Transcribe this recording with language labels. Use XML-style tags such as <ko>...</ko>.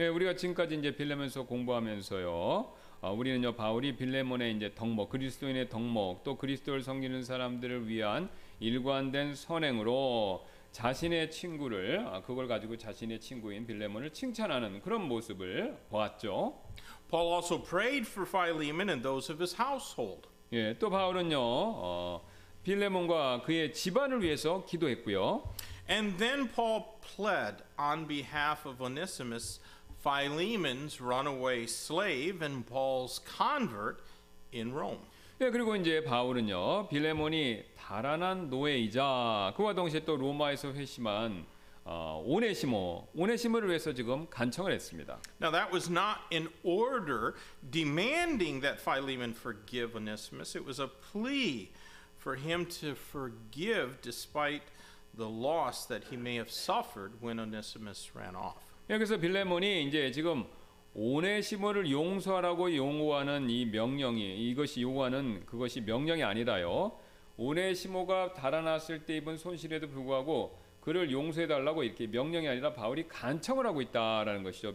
<ko>예, 우리가 지금까지 이제 빌레몬서 공부하면서요. 우리는요, 바울이 빌레몬의 이제 덕목, 그리스도인의 덕목, 또 그리스도를 섬기는 사람들을 위한 일관된 선행으로 자신의 친구를 그걸 가지고 자신의 친구인 빌레몬을 칭찬하는 그런 모습을 보았죠.</ko> <en>Paul also prayed for Philemon and those of his household.</en> <ko>예, 또 바울은요. 빌레몬과 그의 집안을 위해서 기도했고요.</ko> <en>And then Paul pled on behalf of Onesimus Philemon's runaway slave and Paul's convert in Rome.</en> <ko>예, 그리고 이제 바울은요, 빌레몬이 달아난 노예이자 그와 동시에 또 로마에서 회심한 오네시모를 위해서 지금 간청을 했습니다.</ko> <en>Now that was not an order demanding that Philemon forgive Onesimus. It was a plea for him to forgive despite the loss that he may have suffered when Onesimus ran off.</en> <ko>여기서 빌레몬이 이제 지금 오네시모를 용서하라고 요구하는 이 명령이 이것이 요구하는 그것이 명령이 아니다요. 오네시모가 달아났을 때 입은 손실에도 불구하고 그를 용서해 달라고 이렇게 명령이 아니라 바울이 간청을 하고 있다라는 것이죠.</ko>